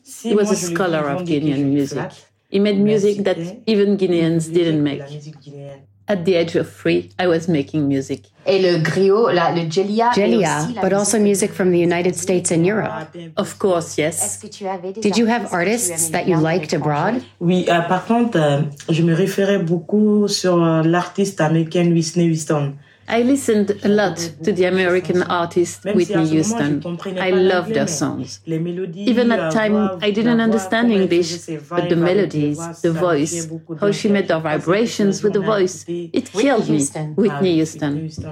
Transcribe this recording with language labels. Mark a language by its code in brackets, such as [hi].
[en] He was a scholar of Guinean music. He made music that even Guineans didn't make. At the age of three, I was making music. Jelia, but also music from the United States and Europe. Of course, yes. Did you have artists that you liked abroad? [fr] Oui, par contre, je me référais beaucoup sur l'artiste américain Whitney Houston. [en] I listened a lot to the American artist Whitney Houston. I loved her songs. Even at time, I didn't understand English, but the melodies, the voice, how she made the vibrations with the voice, it killed me, Whitney Houston.